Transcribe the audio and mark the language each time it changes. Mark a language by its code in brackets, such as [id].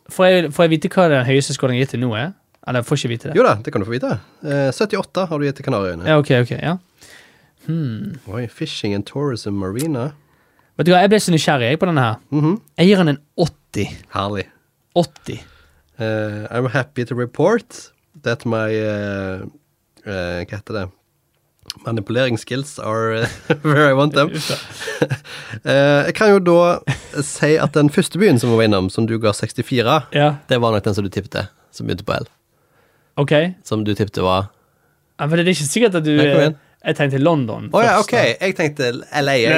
[no] Får jeg vite hva den høyeste skolen gitt til nå er? Eller får jeg ikke vite det? Jo da, det kan du få vite. 78 har du gitt til Kanarieøyene. Ja, ok, ja. Oi, Fishing and Tourism Marina. Vet du hva, jeg ble så nysgjerrig jeg på denne her. Jeg gir han en 80. Herlig. 80. [en] I'm happy to report that my, [no] hva heter det? [en] Manipulering skills are where I want them. [no] Jeg kan jo da si at den første byen som vi var innom, som du ga 64, ja. Det var nok den som du tippte, som begynte på L. Ok. Som du tippte var... Ja, men det er ikke sikkert at du... Nei, kom inn. Jeg tenkte London. Åja, ok. Jeg tenkte LA.